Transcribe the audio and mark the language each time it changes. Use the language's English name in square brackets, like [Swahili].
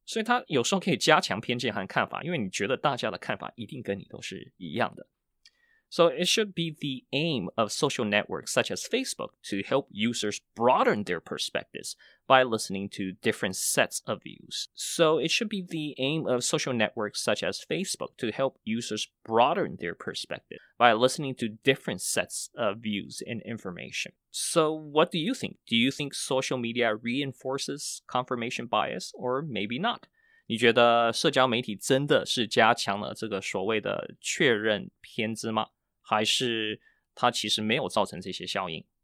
[Chinese] 所以它有时候可以加强偏见和看法，因为你觉得大家的看法一定跟你都是一样的。 [English] So it should be the aim of social networks such as Facebook to help users broaden their perspectives by listening to different sets of views. So it should be the aim of social networks such as Facebook to help users broaden their perspective by listening to different sets of views and information. So what do you think? Do you think social media reinforces confirmation bias or maybe not? [Chinese] 你觉得社交媒体真的是加强了这个所谓的确认偏知吗？还是它其实没有造成这些效应？